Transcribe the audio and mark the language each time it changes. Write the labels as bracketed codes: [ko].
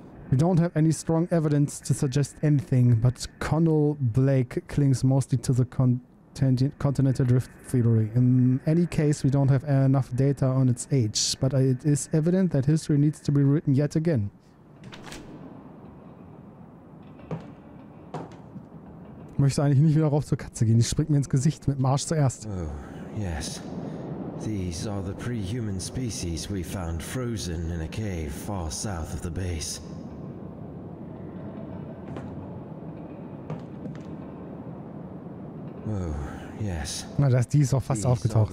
[en] We don't have any strong evidence to suggest anything, but Connell Blake clings mostly to the continental drift theory. In any case, we don't have enough data on its age, but it is evident that history needs to be written yet again. [de] Ich möchte eigentlich nicht wieder rauf zur Katze gehen. Die springt mir ins Gesicht mit dem Arsch zuerst. [en] Oh, yes. These are the pre-human species we found frozen in a cave far south of the base. Oh. Yes. [de] Na, das, die ist auch fast aufgetaucht.